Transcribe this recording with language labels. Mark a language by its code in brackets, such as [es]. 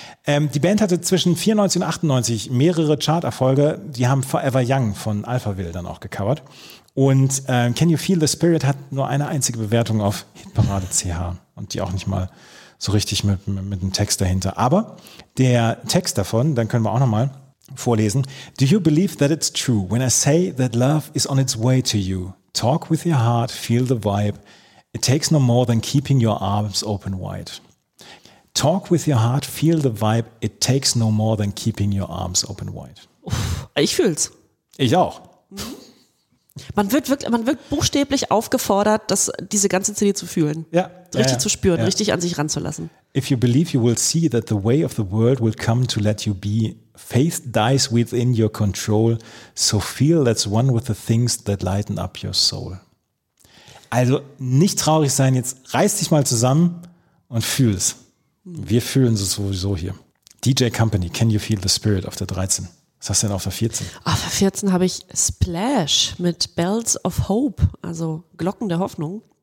[de] Die Band hatte zwischen 94 und 98 mehrere Charterfolge. Die haben Forever Young von Alphaville dann auch gecovert. Und Can You Feel the Spirit hat nur eine einzige Bewertung auf Hitparade.ch und die auch nicht mal so richtig mit einem Text dahinter. Aber der Text davon, dann können wir auch nochmal vorlesen. [en] Do you believe that it's true when I say that love is on its way to you? Talk with your heart, feel the vibe. It takes no more than keeping your arms open wide. Talk with your heart, feel the vibe. It takes no more than keeping your arms open wide. [de] Ich fühl's. Ich auch. Man wird buchstäblich aufgefordert, das, diese ganze CD zu fühlen. Ja. Richtig ja, zu spüren, ja. Richtig an sich ranzulassen. [en] If you believe, you will see that the way of the world will come to let you be. Faith dies within your control, so feel that's one with the things that lighten up your soul. [de] Also nicht traurig sein, jetzt reiß dich mal zusammen und fühl es. Wir fühlen es sowieso hier. DJ Company, Can You Feel the Spirit auf der 13. Was hast du denn auf der 14? Auf der 14 habe ich Splash mit Bells of Hope, also Glocken der Hoffnung.